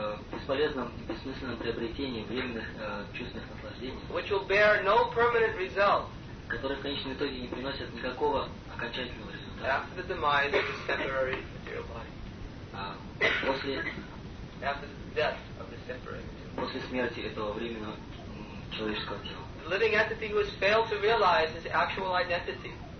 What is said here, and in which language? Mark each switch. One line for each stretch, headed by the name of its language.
Russian: Бесполезном и бессмысленном приобретении временных чувственных наслаждений.
English: Which will bear no permanent result.
Russian: Которые в конечном итоге не приносят никакого окончательного результата.
English: After the demise of this temporary material body.
Russian: После.
English: After the death of this temporary.
Russian: После смерти этого временного человеческого тела.
English: Living entity who has failed to realize his actual identity.